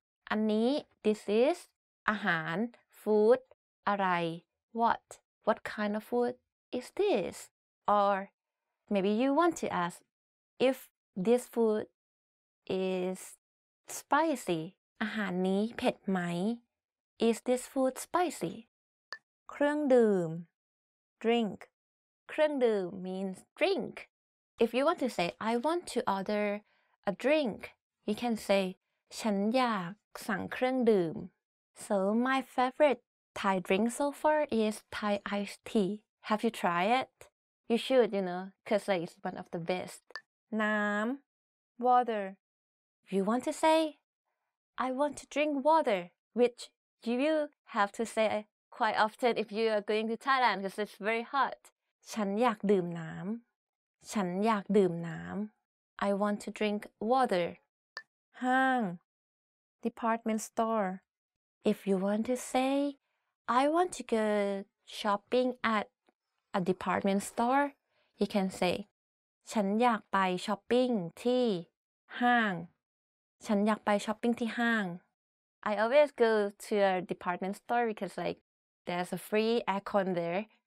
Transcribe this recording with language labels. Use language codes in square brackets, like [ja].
[th] อันนี้ [en] this is [th] อาหาร food อะไร? [en] What kind of food is this? Or maybe you want to ask if,This food is spicy. [th] อาหารนี้เผ็ดไหม? [en] Is this food spicy? เครื่องดื่ม drink. เครื่องดื่ม means drink. If you want to say I want to order a drink, you can say [th] ฉันอยากสั่งเครื่องดื่ม. [en] So my favorite Thai drink so far is Thai iced tea. Have you tried it? You should, you know, because it's one of the best. น้ำ water you want to say I want to drink water which you have to say quite often if you are going to Thailand because it's very hot [th] ฉันอยากดื่มน้ำฉันอยากดื่มน้ำ [en] I want to drink water ห้าง department store if you want to say I want to go shopping at a department store you can say [th] ฉันอยากไปช้อปปิ้งที่ห้างฉันอยากไปช้อปปิ้งที่ห้าง [en] I always go to a department store because like there's a free aircon there